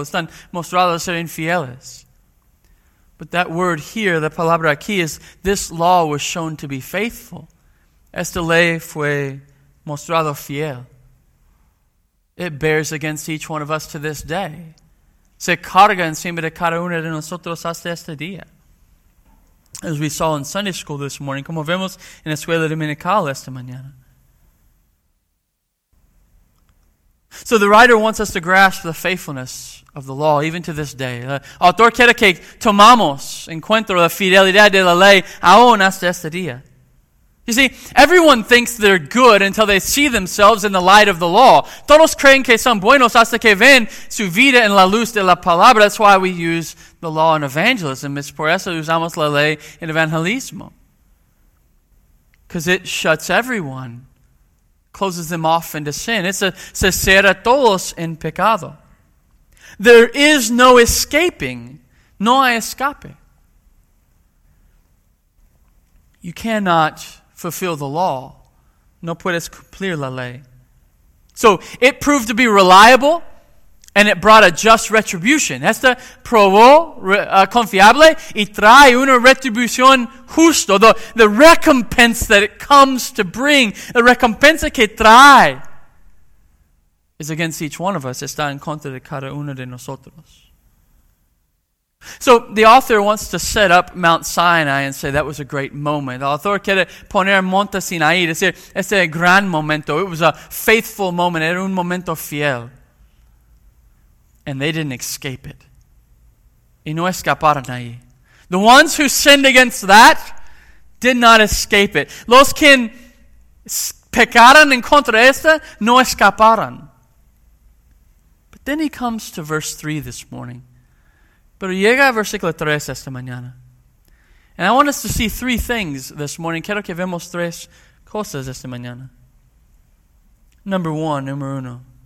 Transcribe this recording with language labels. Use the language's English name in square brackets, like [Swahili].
[Spanish] Están mostrados ser infieles. [English] But that word here, the [Spanish] palabra aquí, [English] is this law was shown to be faithful. [Spanish] Esta ley fue mostrado fiel. [English] It bears against each one of us to this day. [Spanish] Se carga encima de cada uno de nosotros hasta este día. [English] As we saw in Sunday school this morning, [Spanish] como vemos en escuela dominical esta mañana. [English] So the writer wants us to grasp the faithfulness of the law, even to this day. [Spanish] El autor quiere que tomamos en cuenta la fidelidad de la ley aún hasta este día. [English] You see, everyone thinks they're good until they see themselves in the light of the law. [Spanish] Todos creen que son buenos hasta que ven su vida en la luz de la palabra. [English] That's why we use the law in evangelism. [Spanish] Es por eso usamos la ley en evangelismo. [English] Because it shuts everyone, closes them off into sin. [Spanish] It's a se cierra todos en pecado. [English] There is no escaping. [Spanish] No hay escape. [English] You cannot fulfill the law. [Spanish] No puedes cumplir la ley. [English] So it proved to be reliable and it brought a just retribution. [Spanish] Esta probó confiable y trae una retribución justo. [English] The recompense that it comes to bring, the [Spanish] recompensa que trae, [English] is against each one of us. [Spanish] Está en contra de cada uno de nosotros. [English] So the author wants to set up Mount Sinai and say that was a great moment. [Spanish] El autor quiere poner Monte Sinai y decir, este es el gran momento. [English] It was a faithful moment. [Spanish] Era un momento fiel. [English] And they didn't escape it. [Spanish] Y no escaparon ahí. [English] The ones who sinned against that did not escape it. [Spanish] Los que pecaron en contra de esta no escaparon. [English] But then he comes to verse 3 this morning. [Spanish] Pero llega a versículo 3 esta mañana. [English] And I want us to see three things this morning. [Spanish] Quiero que vemos tres cosas esta mañana. [English] Number one, [Spanish] número uno.